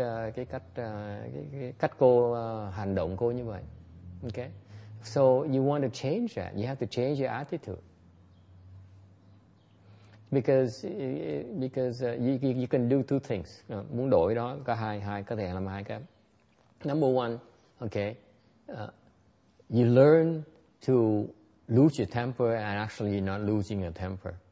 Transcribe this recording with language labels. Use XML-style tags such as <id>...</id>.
<vi>Cái cách cô hành động cô như vậy.</vi> <en>Okay. So you want to change that. You have to change your attitude. Because you can do two things.</en> <vi>Muốn đổi đó có hai có thể làm hai cái.</vi> <en>Number one, okay. You learn to lose your temper and actually not losing your temper.</en>